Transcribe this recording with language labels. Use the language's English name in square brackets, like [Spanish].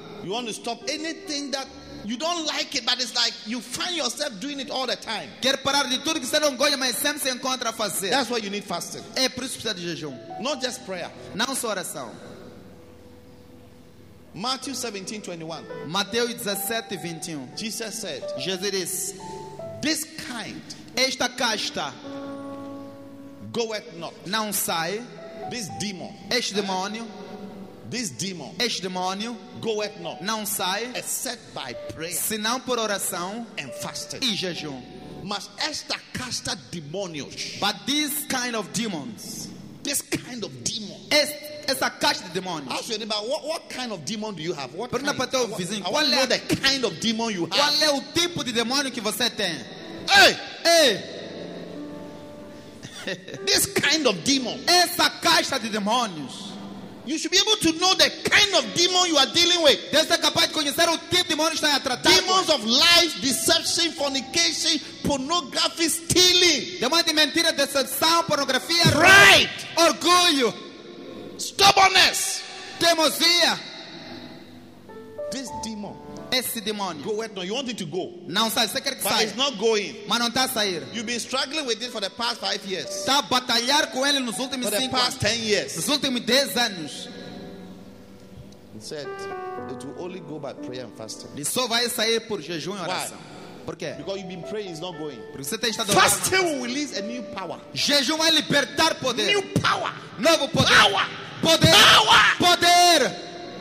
[English] You want to stop anything that you don't like it, but it's like you find yourself doing it all the time. [Portuguese] Quer parar de tudo que você não gosta, mas sempre se encontra a fazer. [English] That's why you need fasting. [Portuguese] É por isso que precisa de jejum. [English] Not just prayer. [Portuguese] Não só oração. [English] Matthew 17:21. [Portuguese] Mateus 17:21. [English] Jesus said. [Portuguese] Jesus disse. [English] this kind, [Portuguese] esta casta, [English] goeth not. [Portuguese] Não sai. [English] This demon, [Portuguese] este demônio. [English] This demon, [Portuguese] este demônio, [English] goeth not. [Portuguese] Não sai. [English] Except by prayer, [Portuguese] senão por oração, [English] and fasting, [Portuguese] e jejum. Mas esta casta demonios, [English] but this kind of demons, this kind of demon, [Portuguese] esta casta de demônio. [English] Ask your neighbor, what kind of demon do you have? What kind? [Portuguese] Para o vizinho, qual é [English] the kind of demon you have? [Portuguese] Qual é o tipo de demônio que você tem? Hey! [English] This kind of demon, [Portuguese] esta casta de demônios. [English] You should be able to know the kind of demon you are dealing with. [Portuguese] Deve ser capaz de conhecer o tipo de demônio que está a tratar. [English] Demons of lies, deception, fornication, pornography, stealing. [Portuguese] Demônio de mentira, decepção, pornografia. [English] Right. [Portuguese] Orgulho. [English] Stubbornness. [Portuguese] Teimosia. [English] This demon. [Portuguese] Esse demônio. [English] Go where? No, you want it to go. [Portuguese] Não sai. Você quer que saia. [English] But it's not going. [Portuguese] Mas não está a sair. [English] You've been struggling with it for the past 5 years. [Portuguese] Está a batalhar com ele nos últimos [English] for the [Portuguese] cinco. [English] Past 10 years. [Portuguese] Nos últimos 10 anos. [English] He said, it will only go by prayer and fasting. [Portuguese] Ele só vai sair por jejum e oração. [English] Why? [Portuguese] Por quê? [English] Because you've been praying, it's not going. [Portuguese] Porque você tem estado. [English] Fasting will release a new power. [Portuguese] Jejum vai libertar poder. [English] New power. [Portuguese] Novo poder. [English] Power. [Portuguese] Poder. [English] Power. [Portuguese] Poder.